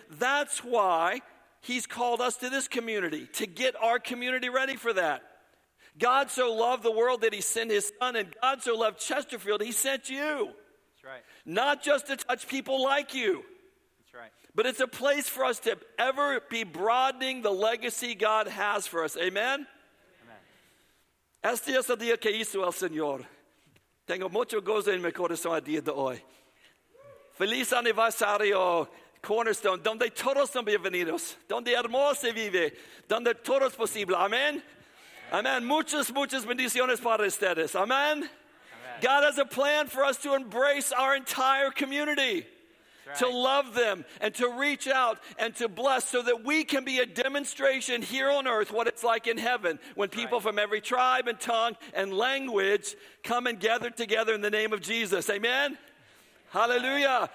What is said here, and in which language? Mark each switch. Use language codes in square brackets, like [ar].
[en] That's why he's called us to this community, to get our community ready for that. God so loved the world that he sent his son, and God so loved Chesterfield, he sent you. That's right. Not just to touch people like you. But it's a place for us to ever be broadening the legacy God has for us. Amen? Amen. [es] Este es el día que hizo el Señor. Tengo mucho gozo en mi corazón el día de hoy. Feliz aniversario, Cornerstone, donde todos son bienvenidos, donde hermoso vive, donde todo es posible. Amen? Amen. Muchas, muchas bendiciones para ustedes. [en] Amen? God has a plan for us to embrace our entire community. Right. To love them and to reach out and to bless so that we can be a demonstration here on earth what it's like in heaven when people from every tribe and tongue and language come and gather together in the name of Jesus. Amen? Hallelujah.